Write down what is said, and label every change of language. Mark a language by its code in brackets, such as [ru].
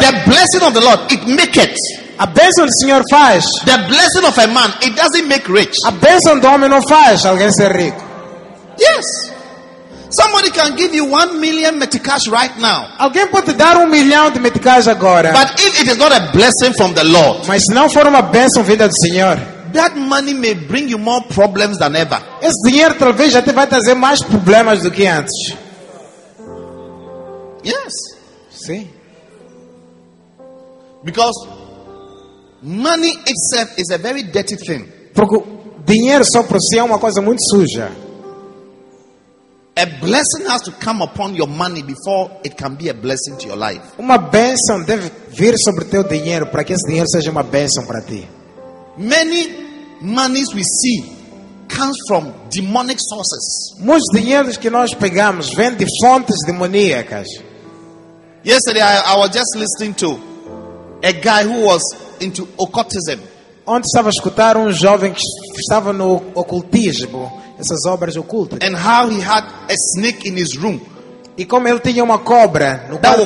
[en] The blessing of the Lord, it make it. [pt] A bênção do Senhor faz. [en] The blessing of a man, it doesn't make rich. [pt] A bênção do homem não faz alguém ser rico. [en] Yes. Somebody can give you 1 million meticais right now. [pt] Alguém pode dar 1 milhão de meticais agora. [en] But if it is not a blessing from the Lord, [pt] mas se não for uma bênção vinda do Senhor, [en] that money may bring you more problems than ever. [pt] Esse dinheiro talvez até vai trazer mais problemas do que antes. [en] Yes. [pt] Sim. [en] Because money itself is a very dirty thing. [pt] Porque dinheiro só por si é uma coisa muito suja. [en] A blessing has to come upon your money before it can be a blessing to your life. [pt] Uma bênção deve vir sobre teu dinheiro para que esse dinheiro seja uma bênção para ti. [en] Many monies we see comes from demonic sources. [pt] Muitos dinheiros que nós pegamos vêm de fontes demoníacas. [en] Yesterday I was just listening to a guy who was into occultism. [pt] Ontem estava a escutar jovem que estava no ocultismo. Essas obras ocultas. [en] And how he had a snake in his room. [pt] E como ele tinha uma cobra no quarto